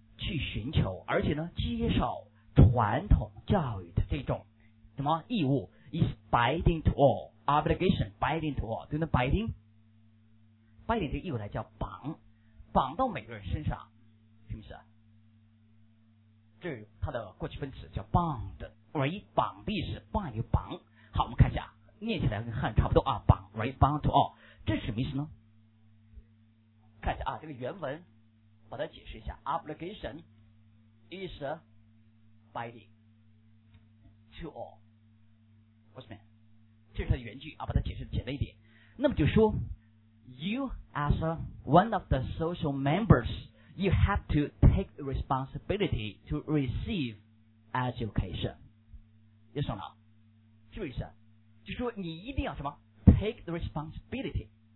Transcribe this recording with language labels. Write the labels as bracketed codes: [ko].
[zh] 去寻求，而且呢，接受传统教育的这种什么义务 ？ [en] Is binding to all [zh] obligation binding to all， 对吗 ？Binding 这个义务来叫绑，绑到每个人身上，是不是？这是它的过去分词叫 bound， [en] right？ [zh] 绑的意思 ，bind 就绑。好，我们看一下，念起来跟汉差不多啊，绑 ， [en] right？ bound to all， [zh] 这是什么意思呢？看一下啊，这个原文。把它解释一下 ， [en] obligation is binding to all。 What's mean？ [zh] 这是它的原句啊，把它解释简单一点。那么就说 [en] ，you as one of the social members， you have to take responsibility to receive education. [zh] 是什么？是不是？就是说你一定要什么？ [en] Take the responsibility.